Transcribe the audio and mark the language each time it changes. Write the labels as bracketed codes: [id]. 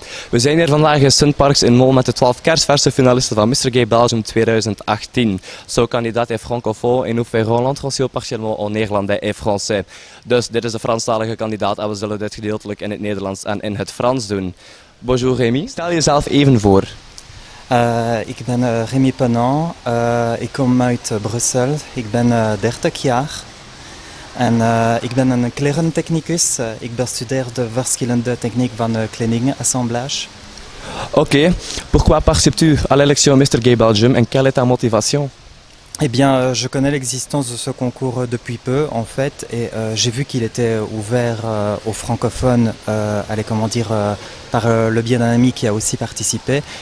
[nl] We zijn hier vandaag in Sunparks in Mol met de 12 kerstverse finalisten van Mr. Gay Belgium 2018. [fr] Zo kandidaat in francophone en nous faisons l'entretien partiellement en néerlandais en français. [nl] Dus dit is de Franstalige kandidaat en we zullen dit gedeeltelijk in het Nederlands en in het Frans doen. Bonjour Rémi, stel jezelf even voor. Ik ben Rémi Penon, ik kom uit Brussel, ik ben 30 jaar. En ik ben een klerentechnicus. Ik bestudeer de verschillende technieken van kledingassemblage. [fr] Oké, pourquoi participes-tu à l'élection Mr. Gay Belgium en quelle est ta motivation? Eh bien, je connais l'existence de ce concours depuis peu, en fait, et j'ai vu qu'il était ouvert aux francophones, par le biais d'un ami qui a aussi participé.